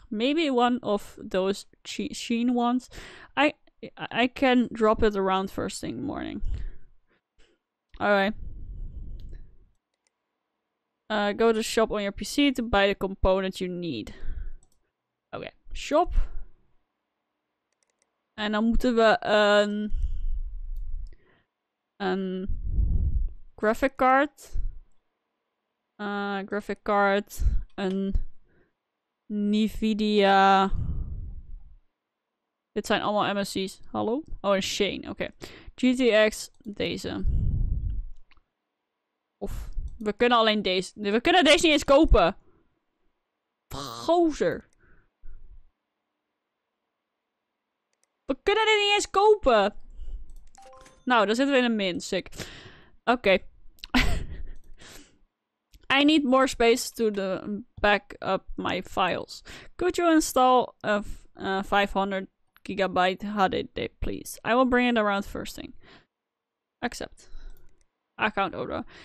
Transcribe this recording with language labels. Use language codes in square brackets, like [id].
[en] Maybe one of those Sheen ones. I can drop it around first thing morning. Alright. Go to shop on your PC to buy the component you need. Okay, shop. [nl] En dan moeten we een graphic card. Graphic card. Een NVIDIA. Dit zijn allemaal MSC's. Hallo? Oh, een Shane. Oké. GTX, deze. Of, we kunnen alleen deze. We kunnen deze niet eens kopen. Gozer. We kunnen dit niet eens kopen. Nou, dan zitten we in een min. Sick. Oké. [en] I need more space to the back up my files. Could you install a 500 gigabyte HDD, please? I will bring it around first thing. Accept. Account order.